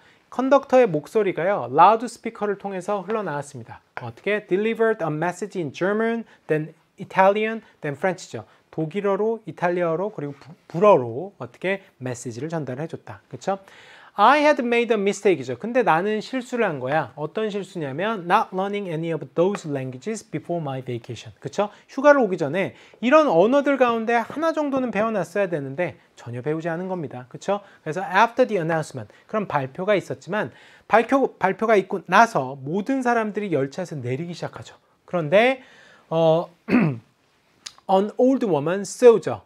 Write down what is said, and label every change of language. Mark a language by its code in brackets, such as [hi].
[ko] 컨덕터의 목소리가요, 라우드 스피커를 통해서 흘러나왔습니다. 어떻게? [en] Delivered a message in German, then Italian, then French죠. [ko] 독일어로, 이탈리아어로, 그리고 불어로 어떻게 메시지를 전달을 해줬다. 그렇죠? [en] I had made a mistake이죠. [ko] 근데 나는 실수를 한 거야. 어떤 실수냐면 [en] not learning any of those languages before my vacation. [ko] 그렇죠? 휴가를 오기 전에 이런 언어들 가운데 하나 정도는 배워놨어야 되는데 전혀 배우지 않은 겁니다. 그렇죠? 그래서 [en] after the announcement, [ko] 그런 발표가 있었지만 발표가 있고 나서 모든 사람들이 열차에서 내리기 시작하죠. 그런데 [en] an old woman saw죠.